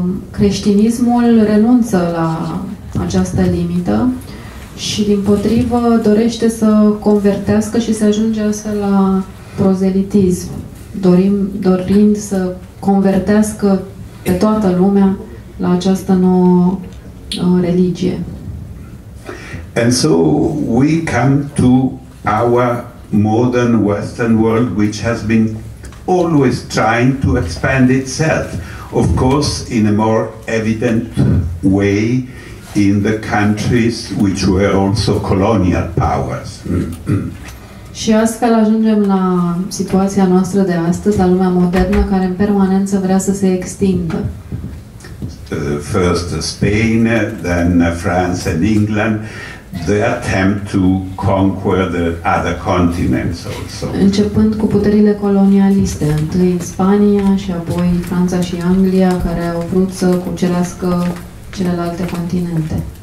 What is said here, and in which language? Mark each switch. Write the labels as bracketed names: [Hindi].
[Romanian] creștinismul renunță la această limită și dimpotrivă dorește să convertească și să ajunge astfel la prozelitism, dorind să convertească pe toată lumea la această nouă religie. [English] And so we come to our modern Western world, which has been always trying to expand itself, of course in a more evident way in the countries which were also colonial powers. [Romanian] Și astfel ajungem la situația noastră de astăzi, la lumea modernă care în permanență vrea să se extindă. [English] First Spain, then France and England, the attempt to conquer the other continents also. [Romanian] Începând cu puterile colonialiste, întâi Spania și apoi Franța și Anglia, care au vrut să cucerească celelalte continente.